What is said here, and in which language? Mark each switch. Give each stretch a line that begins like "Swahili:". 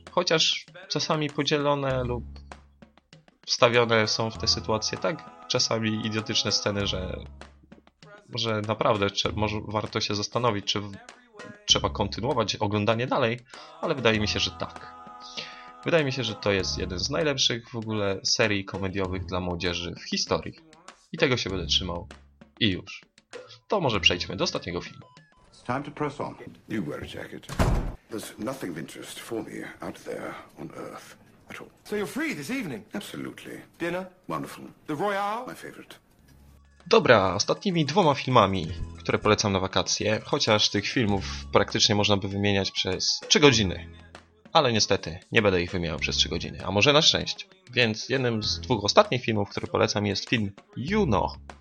Polish: Chociaż czasami podzielone lub wstawione są w te sytuacje tak czasami idiotyczne sceny, że naprawdę może warto się zastanowić, czy trzeba kontynuować oglądanie dalej, ale wydaje mi się, że tak. Wydaje mi się, że to jest jeden z najlepszych w ogóle serii komediowych dla młodzieży w historii. I tego się będę trzymał. I już. To może przejdźmy do ostatniego filmu.
English: It's time to press on. You wear a jacket. There's nothing of interest for me out there on Earth at all. So you're free this evening? Absolutely. Dinner? Wonderful. The Royale? My favorite.
Polish: Dobra, ostatnimi dwoma filmami, które polecam na wakacje, chociaż tych filmów praktycznie można by wymieniać przez 3 godziny. Ale niestety, nie będę ich wymieniał przez 3 godziny, a może na szczęście. Więc jednym z dwóch ostatnich filmów, które polecam, jest film Juno.